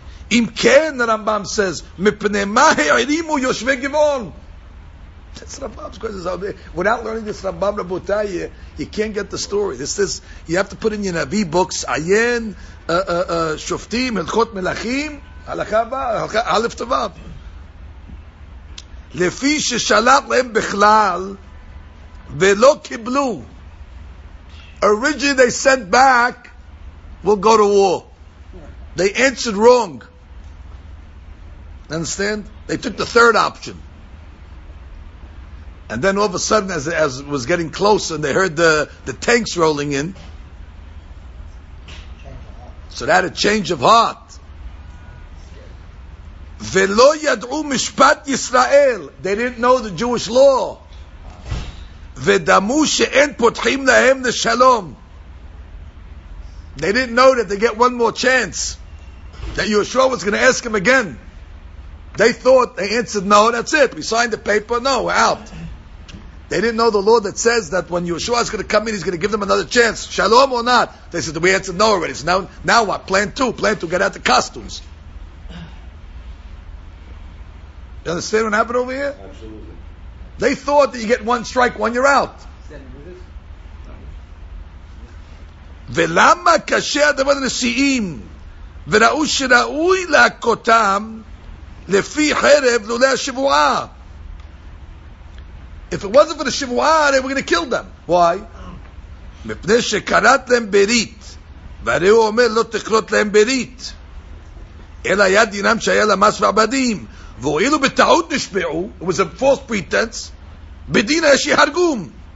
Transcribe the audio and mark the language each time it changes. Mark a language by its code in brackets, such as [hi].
[he] Im ken, [en] the Rambam says, [he] mipnei mahe erimu yoshvei Givon. [en] That's Rambam's question. Without learning this Rambam Rabotai, you can't get the story. This is, you have to put in your Navi books, [he] ayen, shoftim, helchot melachim, halakha alef tovav. לפי ששלח להם בכלל ולא קיבלו. [en] Originally they sent back, we'll go to war. They answered wrong. Understand? They took the third option. And then all of a sudden, as it was getting closer, and they heard the tanks rolling in, so they had a change of heart. [he] ולא ידעו משפט ישראל. [en] They didn't know the Jewish law. [he] ודמו שאין פותחים להם לשלום. [en] They didn't know that they get one more chance. That Yeshua was going to ask him again. They thought, they answered, no, that's it. We signed the paper, no, we're out. They didn't know the law that says that when Yeshua is going to come in, he's going to give them another chance. Shalom or not? They said, we answered no already. So now what? Plan two, get out the costumes. You understand what happened over here? Absolutely. They thought that you get one strike, one you're out. [he] ולמה כאשר דבר הנשיאים וראו שראוי להכותם לפי חרב לולא השבועה? [en] If it wasn't for the שבועה, they were going to kill them. Why? [he] מפני שקראת להם ברית, והרי הוא אומר לא תקרות להם ברית, אלא היה דינם שהיה למס ועבדים. והואילו בטעות נשבעו, [en] it was a false pretense, [he] בדין היה שיהרגום.